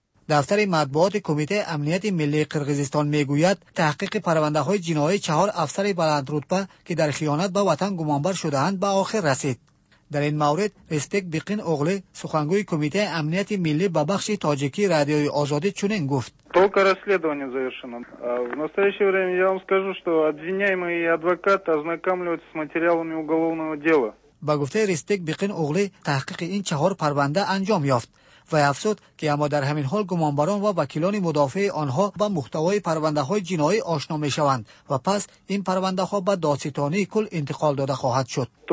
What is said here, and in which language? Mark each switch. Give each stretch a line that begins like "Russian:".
Persian: دفتر مطبوعات کمیته امنیت ملی قرقیزستان میگوید تحقیق پرونده های جنایی چهار افسر بلندرتبه که در خیانت به وطن گمانبر شده اند به آخر رسید. در این مورد رسپکت بقین اوغلی، سخنگوی کمیته امنیت ملی به بخش تاجیکی رادیوی آزادی، چنین گفت:
Russian: Только расследование завершено. В настоящее время я вам скажу, что обвиняемые и адвокат ознакомляются с материалами уголовного дела.
Persian: با گفته رسپکت بقین اوغلی، تحقیق این چهار پرونده انجام یافت و افسود که اما در همین حال گمانبران و وکیلان مدافع آنها با محتوای پرونده های جنایی آشنا می شوند و پس این پرونده ها به دادستانی کل انتقال داده خواهد شد.